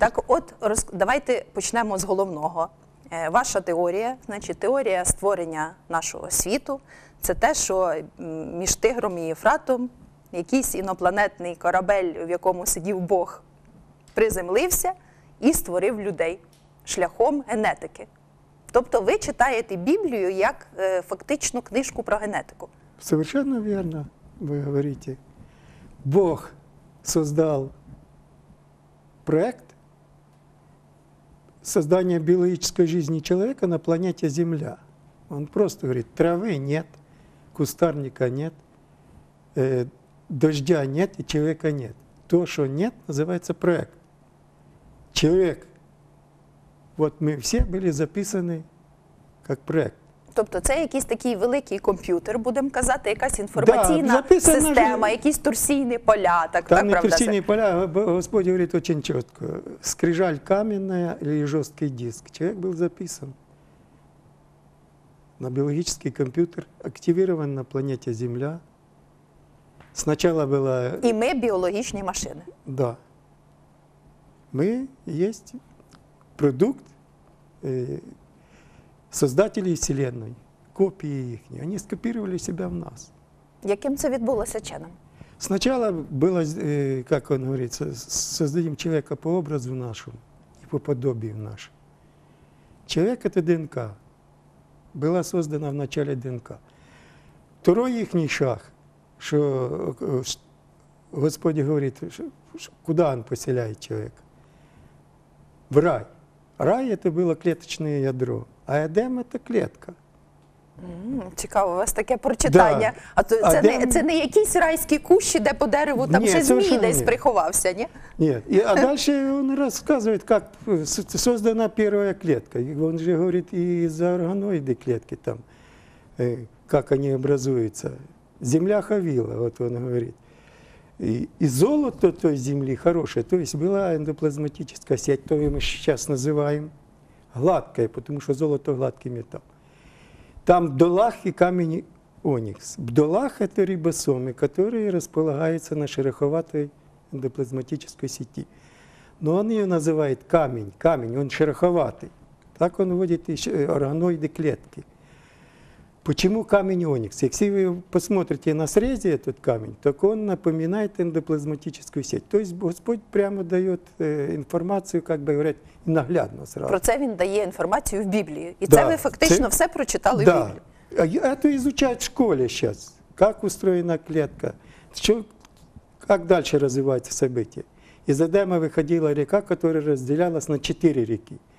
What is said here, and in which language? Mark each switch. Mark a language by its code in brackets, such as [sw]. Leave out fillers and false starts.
[uk] Так, от давайте почнемо з головного. Ваша теорія, значить, теорія створення нашого світу, це те, що між Тигром і Євфратом якийсь інопланетний корабель, в якому сидів Бог, приземлився і створив людей шляхом генетики. Тобто ви читаєте Біблію як фактичну книжку про генетику. Совершенно вірно ви говорите. [ru] Бог создал проект создания биологической жизни человека на планете Земля. Он просто говорит, травы нет, кустарника нет, дождя нет и человека нет. То, что нет, называется проект. Человек. Вот мы все были записаны как проект. [uk] Тобто це якийсь такий великий комп'ютер, будемо казати, якась інформаційна система, якісь турсійні поля. Так, там не турсійні поля, Господь говорить дуже чітко. Скрижаль кам'яна і жорсткий диск. Чоловік був записаний на біологічний комп'ютер, активірований на планеті Земля. Спочатку була... І ми біологічні машини. Так. Да. Ми є продукт, [ru] создатели Вселенной, копии их, они скопировали себя в нас. [uk] Яким це відбулося чином? [ru] Сначала было, как он говорит, создадим человека по образу нашему и по подобию нашему. Человек – это ДНК, была создана в начале ДНК. Второй их шаг, что Господь говорит, куда он поселяет человека? В рай. Рай – это было клеточное ядро. [uk] А Едем – це клітка. Цікаво, у вас таке прочитання. [ru] Да. [uk] А то, це, Едем... не якісь райські кущі, де по дереву там ще змій десь [ru] нет. [uk] приховався, ні? Ні. А далі він розказує, як создана перша клітка. Він же говорить і за органоїди клітки там, як вони образуються. Земля ховіла, от він говорить. І золото тої землі хороше, тобто була ендоплазматична сеть, то ми зараз називаємо. [ru] Гладкое, потому что золото – гладкий металл. Там бдолах и камень оникс. Бдолах – это рибосомы, которые располагаются на шероховатой эндоплазматической сети. Но он ее называет камень, камень, он шероховатый. Так он вводит органоиды клетки. Почему камень оникс? Если вы посмотрите на срезе этот камень, то он напоминает эндоплазматическую сеть. То есть Господь прямо дает информацию, как бы говорят, наглядно сразу. [uk] Про це він дає інформацію в Біблії. І да. це ви фактично це... все прочитали [ru] да. [uk] в Біблії. Так. Це ізучають в школі зараз. Як устроєна клітка, як далі розвиваються события. Із Едема виходила ріка, яка розділялась на 4 ріки.